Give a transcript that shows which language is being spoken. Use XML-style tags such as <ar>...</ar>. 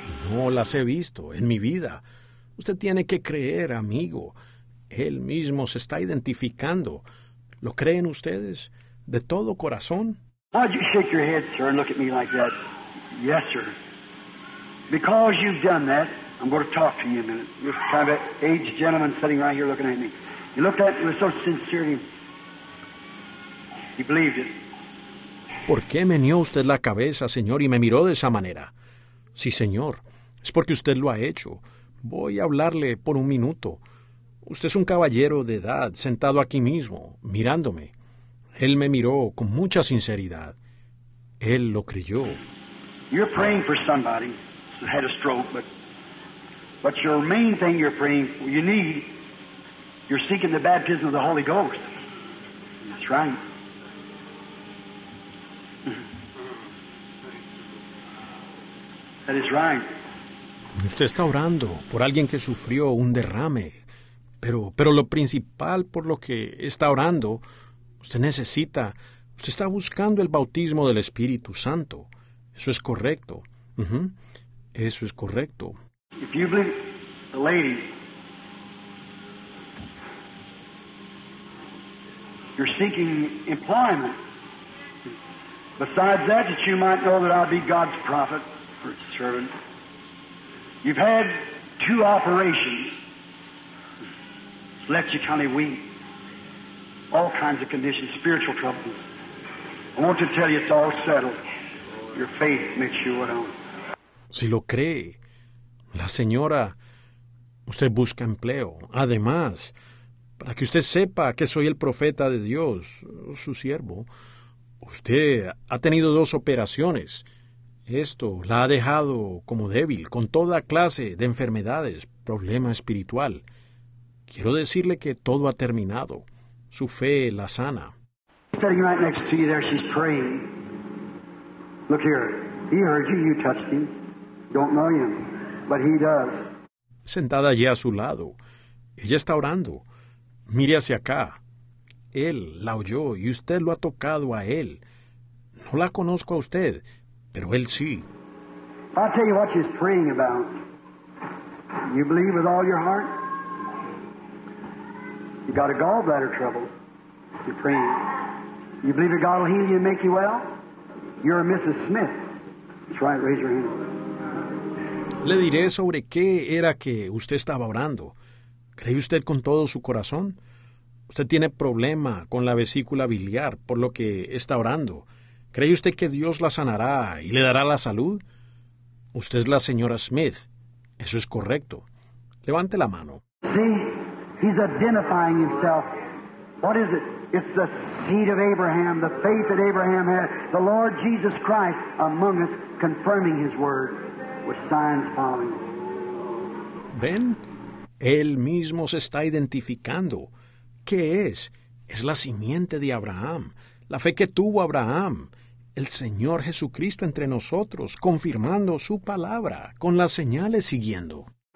<es>No las he visto en mi vida. Usted tiene que creer, amigo. Él mismo se está identificando. ¿Lo creen ustedes? ¿De todo corazón?</es> <en>Why'd you shake your head, sir, and look at me like that? Yes, sir. Because you've done that, I'm going to talk to you in a minute. You're kind of an aged gentleman sitting right here looking at me. You looked at me with so sincerity. You believed it.</en> <es>¿Por qué meneó usted la cabeza, señor, y me miró de esa manera? Sí, señor. Es porque usted lo ha hecho. Voy a hablarle por un minuto. Usted es un caballero de edad, sentado aquí mismo, mirándome. Él me miró con mucha sinceridad. Él lo creyó.</es> <en>You're praying for somebody. Had a stroke, but your main thing you're praying for, you need, you're seeking the baptism of the Holy Ghost. That's right. That is right.</en> <es>Usted está orando por alguien que sufrió un derrame, pero lo principal por lo que está orando, usted está buscando el bautismo del Espíritu Santo. Eso es correcto. Eso es correcto.</es> <en>If you believe the lady, you're seeking employment. Besides that, that you might know that I'd be God's prophet or servant. You've had two operations. It's left you kind of weak. All kinds of conditions, spiritual troubles. I want to tell you it's all settled. Your faith makes you well.</en> <es>Si lo cree, la señora, usted busca empleo. Además, para que usted sepa que soy el profeta de Dios, su siervo, usted ha tenido dos operaciones. Esto la ha dejado como débil, con toda clase de enfermedades, problema espiritual. Quiero decirle que todo ha terminado. Su fe la sana.</es> <en>Sitting right next to you there, she's praying. Look here. He heard you, you touched him. Don't know him, but he does.</en> <es>Sentada allí a su lado, ella está orando. Mire hacia acá. Él la oyó y usted lo ha tocado a él. No la conozco a usted, pero él sí.</es> <en>I'll tell you what she's praying about. You believe with all your heart? You got a gallbladder trouble. You're praying. You believe that God will heal you and make you well? You're a Mrs. Smith. That's right, raise your hand.</en> <es>Le diré sobre qué era que usted estaba orando. ¿Cree usted con todo su corazón? Usted tiene problema con la vesícula biliar, por lo que está orando. ¿Cree usted que Dios la sanará y le dará la salud? Usted es la señora Smith. Eso es correcto. Levante la mano.</es> <en>See, he's identifying himself. What is it? It's the seed of Abraham, the faith that Abraham had, the Lord Jesus Christ among us, confirming his word with signs following.</en> <es>¿Ven? Él mismo se está identificando. ¿Qué es? Es la simiente de Abraham, la fe que tuvo Abraham, el Señor Jesucristo entre nosotros, confirmando su palabra, con las señales siguiendo.</es>